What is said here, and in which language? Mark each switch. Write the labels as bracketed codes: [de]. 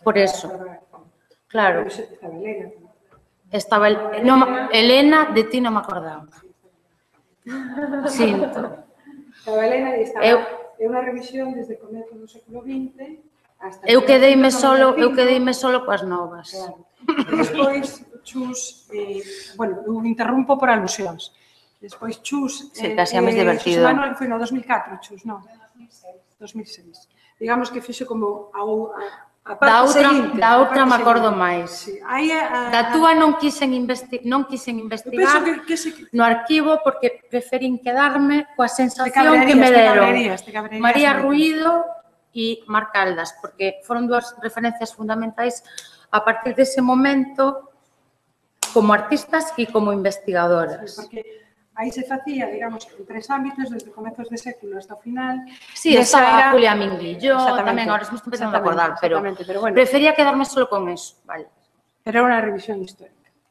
[es] Por eso. Claro. Estaba Elena. Elena, de ti no me acordaba. Siento. Estaba Elena y estaba en una revisión desde el comienzo del siglo XX hasta [gl] eu quedeime solo, eu quedeime solo coas novas. [es] Claro. [gl] Después Chus eu interrumpo por alusións. [es] Después Chus, sí, casi a mes divertido. [gl] Xosé Manuel foi no 2004, Chus, no. 2006. Digamos que fixo como a parte seguinte. Da outra me acordo máis. Sí. Da túa non quixen investigar no arquivo porque preferín quedarme coa sensación que me deron. María Ruido e Mar Caldas, porque foron dúas referencias fundamentais a partir dese momento [es] como artistas y como investigadoras. [gl] Sí, porque ahí se facía, digamos, en tres ámbitos, desde comienzos de século hasta final. [es] Sí, estaba era... Julia Mingli. Yo también, ahora me estoy empezando a acordar, pero bueno, prefería quedarme solo con eso. Vale. Era una revisión histórica.